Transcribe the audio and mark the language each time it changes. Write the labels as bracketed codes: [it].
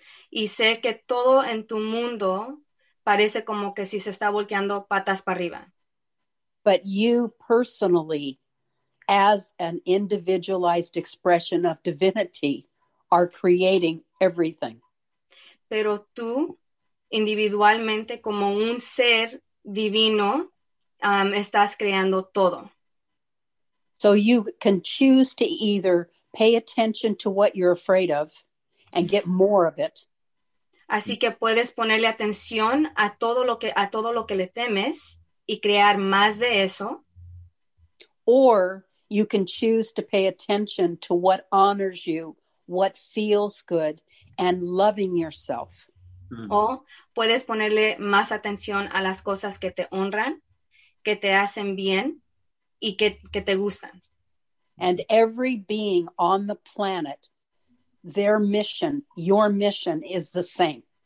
[es] Y sé que todo en tu mundo parece como que si se está volteando patas para arriba. [en] But you personally, as an individualized expression of divinity, are creating everything. [es] Pero tú, individualmente, como un ser divino, estás creando todo. [en] So you can choose to either pay attention to what you're afraid of and get more of it. [es] Así que puedes ponerle atención a todo lo que le temes y crear más de eso. [en] Or you can choose to pay attention to what honors you, what feels good, and loving yourself. [es] O puedes ponerle más atención a las cosas que te honran, que te hacen bien, y que te gustan. [en] And every being on the planet, their mission, your mission is the same.